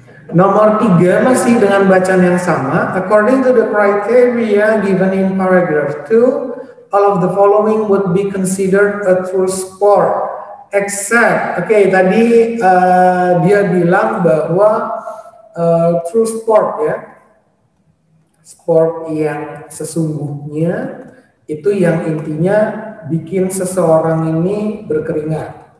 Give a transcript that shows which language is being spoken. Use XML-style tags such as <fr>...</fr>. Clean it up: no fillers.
<id>Nomor 3 masih dengan bacaan yang sama.</id> <en>According to the criteria given in paragraph 2, all of the following would be considered a true sport. Except,</en> <id>okay, tadi dia bilang bahwa true sport ya, sport yang sesungguhnya itu yang intinya bikin seseorang ini berkeringat.</id>